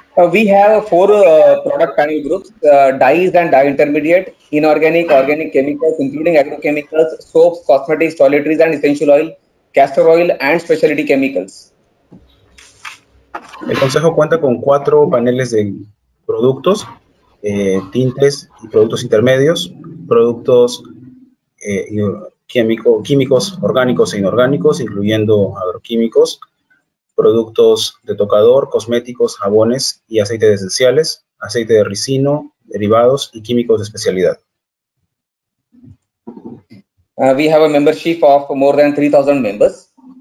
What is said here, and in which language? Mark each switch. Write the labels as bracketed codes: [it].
[en] We have four product panel groups, dyes and dye intermediate, inorganic, organic chemicals, including agrochemicals, soaps, cosmetics, toiletries and essential oil, castor oil and specialty chemicals. [es] El consejo cuenta con cuatro paneles de productos, tintes y productos intermedios, productos químicos orgánicos e inorgánicos, incluyendo agroquímicos, productos de tocador, cosméticos, jabones y aceites esenciales, aceite de ricino, derivados y químicos de especialidad. [en] We have a membership of more than 3,000 members.